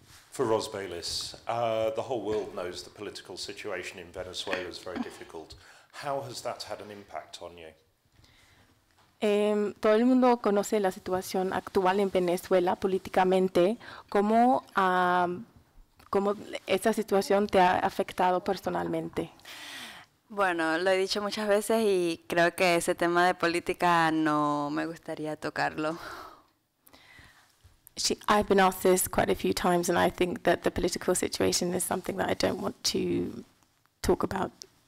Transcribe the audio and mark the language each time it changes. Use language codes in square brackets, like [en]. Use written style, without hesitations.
[en] For Ros Bayliss, the whole world knows the political situation in Venezuela is very difficult. How has that had an impact on you? [es] Todo el mundo conoce la situación actual en Venezuela políticamente. ¿Cómo, cómo esa situación te ha afectado personalmente? Bueno, lo he dicho muchas veces y creo que ese tema de política no me gustaría tocarlo. [en] I've been asked this quite a few times, and I think that the political situation is something that I don't want to talk about